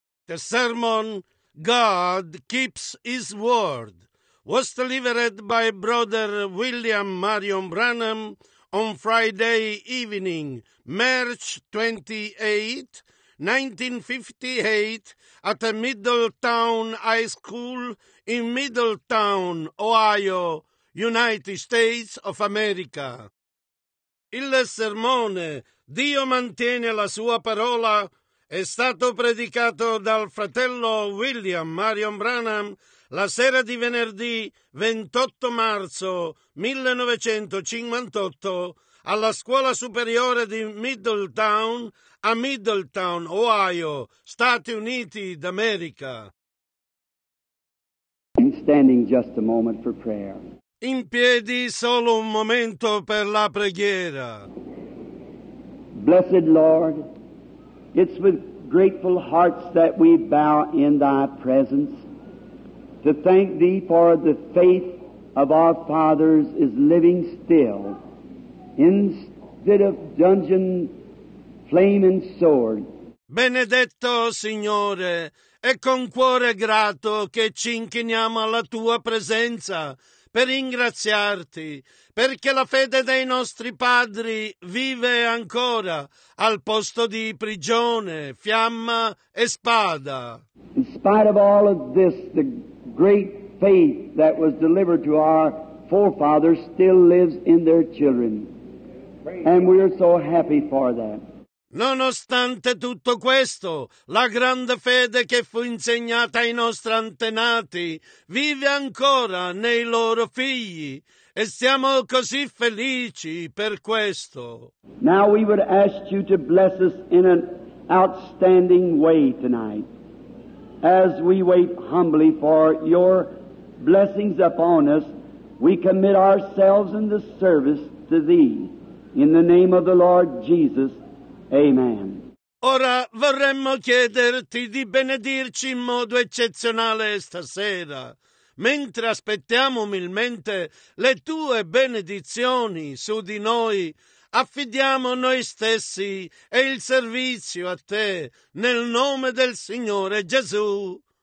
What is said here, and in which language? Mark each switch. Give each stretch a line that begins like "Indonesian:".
English: The sermon, God Keeps His Word, was delivered by Brother William Marion Branham on Friday evening, March 28, 1958, at a Middletown High School in Middletown, Ohio, United States of America.
Italian: Il sermone «Dio mantiene la sua parola» è stato predicato dal fratello William Marion Branham la sera di venerdì 28 marzo 1958 alla Scuola Superiore di Middletown a Middletown, Ohio, Stati Uniti d'America.
English: And standing just a moment for prayer.
Italian: In piedi solo un momento per la preghiera.
English: Blessed Lord, it's with grateful hearts that we bow in Thy presence to thank Thee for the faith of our fathers is living still. Instead of dungeon, flame and sword.
Italian: Benedetto Signore, è con cuore grato che ci inchiniamo alla Tua presenza per ringraziarti, perché la fede dei nostri padri vive ancora al posto di prigione, fiamma e spada.
English: In spite of all of this, the great faith that was delivered to our forefathers still lives in their children. And we are so happy for that.
Italian: Nonostante tutto questo, la grande fede che fu insegnata ai nostri antenati vive ancora nei loro figli e siamo così felici per questo.
English: Now we would ask you to bless us in an outstanding way tonight as we wait humbly for your blessings upon us. We commit ourselves in the service to thee in the name of the Lord Jesus. Amen.
Italian: Ora vorremmo chiederti di benedirci in modo eccezionale stasera, mentre aspettiamo umilmente le tue benedizioni su di noi, affidiamo noi stessi e il servizio a te, nel nome del Signore Gesù.